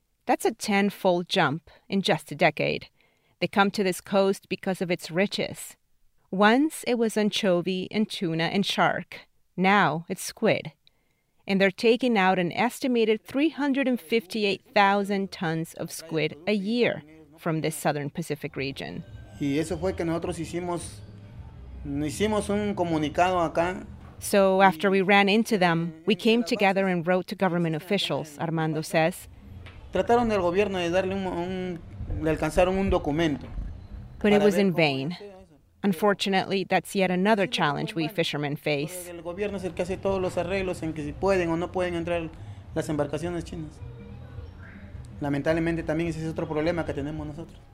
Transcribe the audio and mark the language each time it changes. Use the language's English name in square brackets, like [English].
[English] That's a tenfold jump in just a decade. They come to this coast because of its riches. Once it was anchovy and tuna and shark. Now it's squid. And they're taking out an estimated 358,000 tons of squid a year from this southern Pacific region. [Spanish] Y eso fue que nosotros hicimos un comunicado acá. [English] So after we ran into them, we came together and wrote to government officials, Armando says. Trataron del gobierno de darle de alcanzar un documento. But it was in vain. Unfortunately, that's yet another challenge we fishermen face. [Spanish] El gobierno es el que hace todos los arreglos en que si pueden o no pueden entrar las embarcaciones chinas. Lamentablemente también ese es otro problema que tenemos nosotros.